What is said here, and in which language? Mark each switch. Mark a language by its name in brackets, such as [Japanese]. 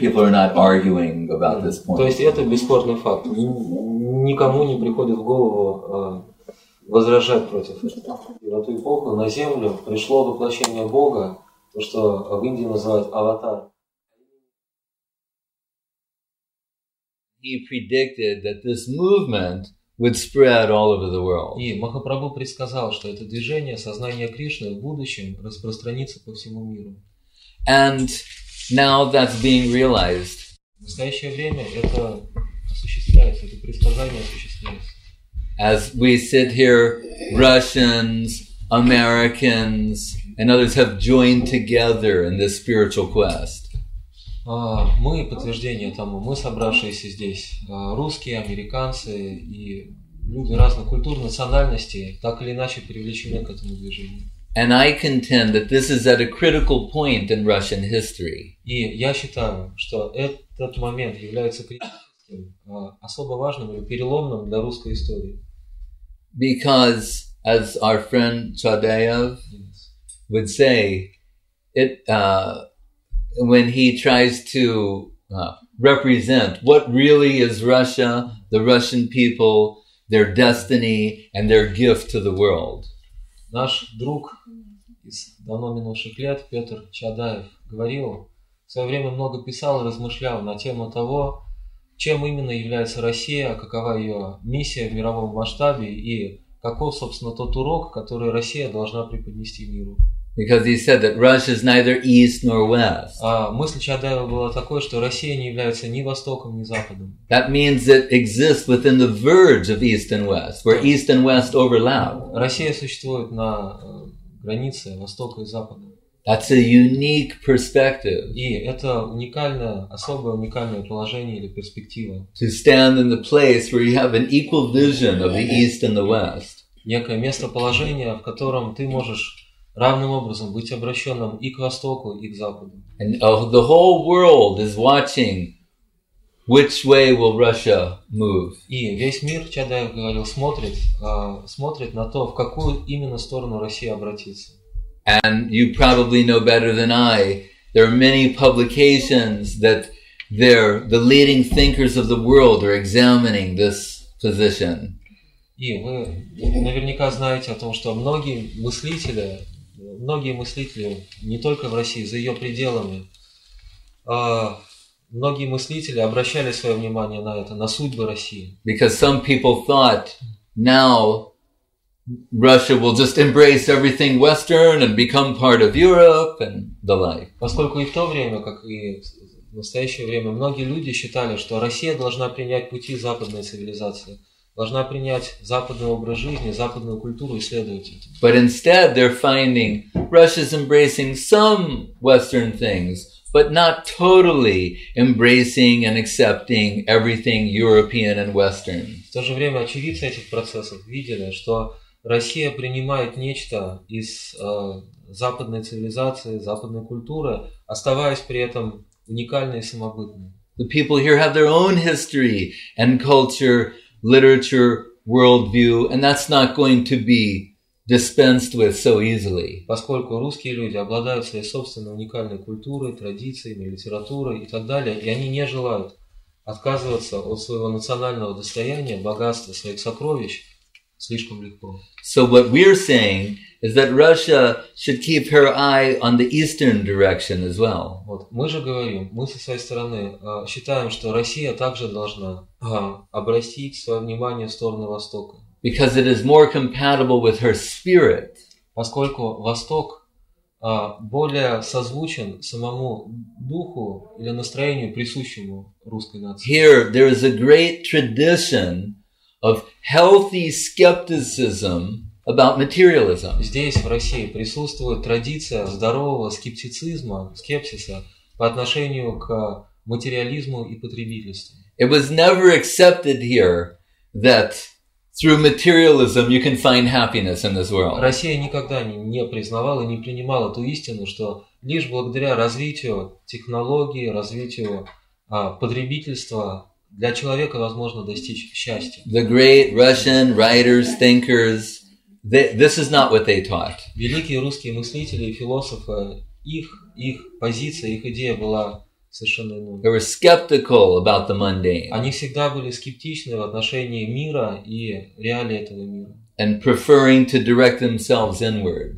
[English] People are not arguing about this point. [Russian] То есть это бесспорный факт. Никому не приходит в голову возражать против этого. И в эту эпоху на Землю пришло воплощение Бога, то, что в Индии называют аватар. [English] He predicted that this movement would spread all over the world. [Russian] И Махапрабху предсказал, что это движение сознания Кришны в будущем распространится по всему миру. [English] And now that's being realized. [Russian] В настоящее время это осуществляется, это предсказание осуществляется. [English] As we sit here, Russians, Americans, and others have joined together in this spiritual quest. [Russian] Мы подтверждение тому, мы собравшиеся здесь, русские, американцы и люди разных культур, национальностей, так или иначе привлечены к этому движению. [English] And I contend that this is at a critical point in Russian history. [Russian] И я считаю, что этот момент является критическим, особо важным и переломным для русской истории. [English] Because, as our friend Chadayev would say, when he tries to represent what really is Russia, the Russian people, their destiny, and their gift to the world. [Russian] Наш друг из давно минувших лет, Петр Чадаев, говорил, в свое время много писал и размышлял на тему того, чем именно является Россия, какова ее миссия в мировом масштабе и каков, собственно, тот урок, который Россия должна преподнести миру. [English] Because he said that Russia is neither east nor west. [Russian] Мысль Чадаева была такой, что Россия не является ни востоком, ни западом. [English] That means it exists within the verge of east and west, where east and west overlap. [Russian] Россия существует на границе востока и запада. [English] That's a unique perspective. [Russian] И это уникальное, особое уникальное положение или перспектива. [English] To stand in the place where you have an equal vision of the East and the West. [Russian] Некое местоположение, в котором ты можешь равным образом быть обращенным и к востоку, и к западу. [English] And the whole world is watching which way will Russia move. [Russian] И весь мир, Чадаев говорил, смотрит на то, в какую именно сторону Россия обратится. [English] And you probably know better than I, there are many publications that the leading thinkers of the world are examining this position. [Russian] И вы наверняка знаете о том, что многие мыслители, не только в России, за ее пределами, многие мыслители обращали свое внимание на это, на судьбы России. [English] Because some people thought now Russia will just embrace everything Western and become part of Europe and the like. [Russian] Поскольку и в то время, как и в настоящее время, многие люди считали, что Россия должна принять пути западной цивилизации, должна принять западный образ жизни, западную культуру и следовать этому. [English] But instead, they're finding Russia's embracing some Western things, but not totally embracing and accepting everything European and Western. [Russian] В то же время очевидцы этих процессов видели, что Россия принимает нечто из западной цивилизации, западной культуры, оставаясь при этом уникальной и самобытной. [English] The people here have their own history and culture, literature, worldview, and that's not going to be dispensed with so easily. [Russian] Поскольку русские люди обладают своей собственной уникальной культурой, традициями, литературой и так далее, и они не желают отказываться от своего национального достояния, богатства, своих сокровищ, слишком легко. [English] So what we're saying is that Russia should keep her eye on the eastern direction as well. [Russian] Вот, мы же говорим, мы со своей стороны считаем, что Россия также должна обратить свое внимание в сторону востока. [English] Because it is more compatible with her spirit. [Russian] Поскольку восток более созвучен самому духу или настроению, присущему русской нации. [English] Here there is a great tradition of healthy skepticism about materialism. [Russian] Здесь в России присутствует традиция здорового скептицизма, скепсиса по отношению к материализму и потребительству. [English] It was never accepted here that through materialism you can find happiness in this world. [Russian] Россия никогда не признавала и не принимала ту истину, что лишь благодаря развитию технологий, развитию потребительства для человека возможно достичь счастья. [English] The great Russian writers, thinkers, this is not what they taught. [Russian] Великие русские мыслители и философы, их позиция, их идея была совершенно иной. [English] They were skeptical about the mundane. [Russian] Они всегда были скептичны в отношении мира и реалий этого мира. [English] And preferring to direct themselves inward.